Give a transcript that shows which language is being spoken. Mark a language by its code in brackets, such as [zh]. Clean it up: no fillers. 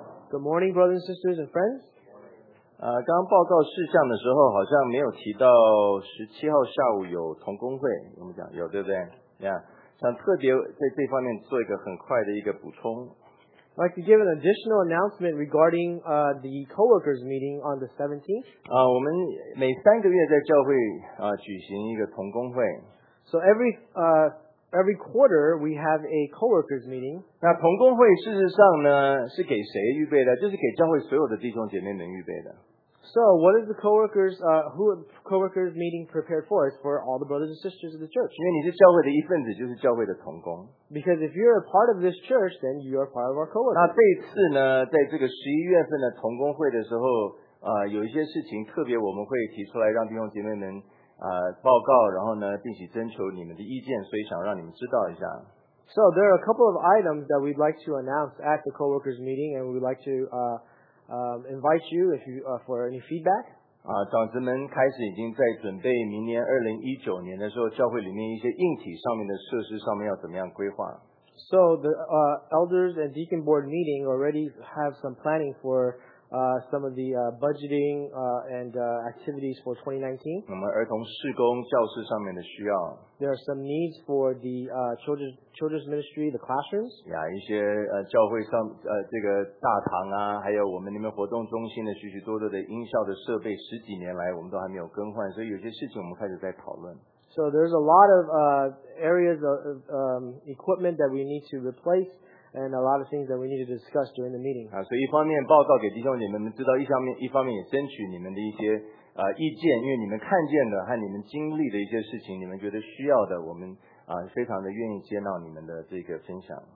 [en] Good morning, brothers and sisters and friends. [zh] 刚报告事项的时候好像没有提到17号下午有同工会，我们讲有对不对？ [en] Yeah. [zh] 想特别在这方面做一个很快的一个补充。 [en] I'd like to give an additional announcement regarding the co-workers meeting on the 17th. [zh] 我们每三个月在教会举行一个同工会。 [en] So every quarter we have a co-workers meeting. [zh] 那同工会事实上呢是给谁预备的？就是给教会所有的弟兄姐妹们预备的。 [en] So what is the co-workers, who co-workers meeting prepared for? It's for all the brothers and sisters of the church. [zh] 因为你是教会的一份子，就是教会的同工。 [en] Because if you're a part of this church, then you are part of our co-workers. [zh] 那这一次呢，在这个十一月份的同工会的时候，有一些事情特别我们会提出来，让弟兄姐妹们报告，然后呢，并且征求你们的意见，所以想让你们知道一下。 [en] So there are a couple of items that we'd like to announce at the co-workers meeting, and we'd like to invite you if you for any feedback. [zh] 长子们开始已经在准备明年2019年的时候，教会里面一些硬体上面的设施上面要怎么样规划。 [en] So the elders and deacon board meeting already have some planning for some of the budgeting and activities for 2019. [zh] 我们儿童事工教室上面的需要。 [en] There are some needs for the children's ministry, the classrooms. [zh] 一些教会上这个大堂啊，还有我们那边活动中心的许许多多的音效的设备，十几年来我们都还没有更换，所以有些事情我们开始在讨论。 [en] So there's a lot of areas of equipment that we need to replace. And a lot of things that we need to discuss during the meeting. [zh] 所以一方面报告给弟兄姐妹们知道，一方面也争取你们的一些意见，因为你们看见的和你们经历的一些事情，你们觉得需要的，我们非常的愿意接纳你们的这个分享。